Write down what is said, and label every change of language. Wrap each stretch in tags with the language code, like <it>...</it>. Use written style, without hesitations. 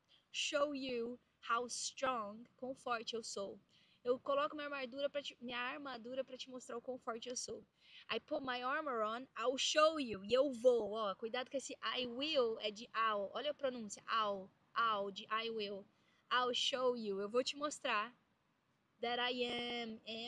<en>Show you how strong,</en> <pt>quão forte eu sou. Eu coloco minha armadura pra te mostrar o quão forte eu sou.</pt> <en>I put my armor on, I'll show you.</en> <pt>E eu vou, ó. Cuidado com esse I will é de I'll. Olha a pronúncia. I'll, de I will.</pt> <en>I'll show you.</en> <pt>Eu vou te mostrar</pt> <en>that I am.</en>